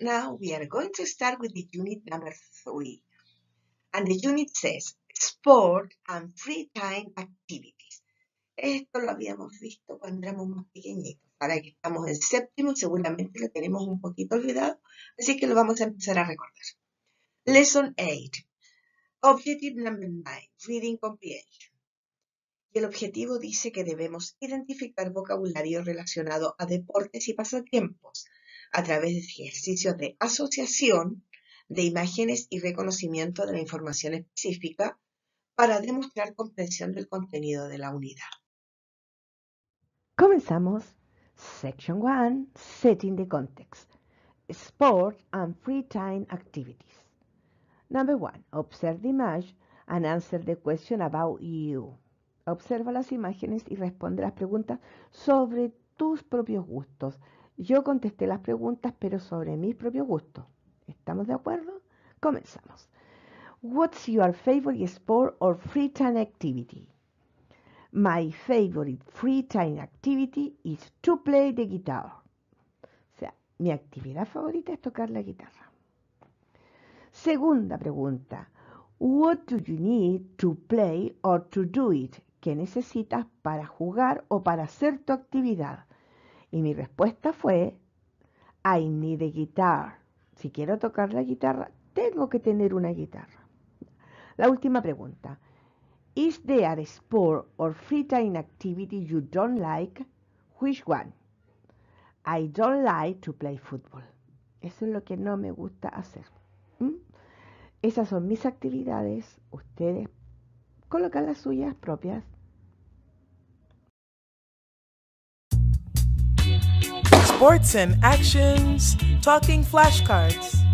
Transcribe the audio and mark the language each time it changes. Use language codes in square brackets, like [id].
[en] Now we are going to start with the unit number three. And the unit says sport and free time activities. [es] Esto lo habíamos visto cuando éramos más pequeñitos. Ahora que estamos en séptimo, seguramente lo tenemos un poquito olvidado, así que lo vamos a empezar a recordar. [en] Lesson 8. Objective number 9. Reading comprehension. [es] El objetivo dice que debemos identificar vocabulario relacionado a deportes y pasatiempos a través de ejercicios de asociación de imágenes y reconocimiento de la información específica para demostrar comprensión del contenido de la unidad. Comenzamos. [en] Section 1. Setting the context. Sport and free time activities. Number 1. Observe the image and answer the question about you. [es] Observa las imágenes y responde las preguntas sobre tus propios gustos. Yo contesté las preguntas, pero sobre mis propios gustos. ¿Estamos de acuerdo? Comenzamos. [en] What's your favorite sport or free time activity? My favorite free time activity is to play the guitar. [es] O sea, mi actividad favorita es tocar la guitarra. Segunda pregunta. [en] What do you need to play or to do it? [es] ¿Qué necesitas para jugar o para hacer tu actividad? Y mi respuesta fue, [en] I need a guitar. [es] Si quiero tocar la guitarra, tengo que tener una guitarra. La última pregunta. [en] Is there a sport or free time activity you don't like? Which one? I don't like to play football. [es] Eso es lo que no me gusta hacer. Esas son mis actividades. Ustedes colocan las suyas propias. [en] Sports and actions. Talking flashcards.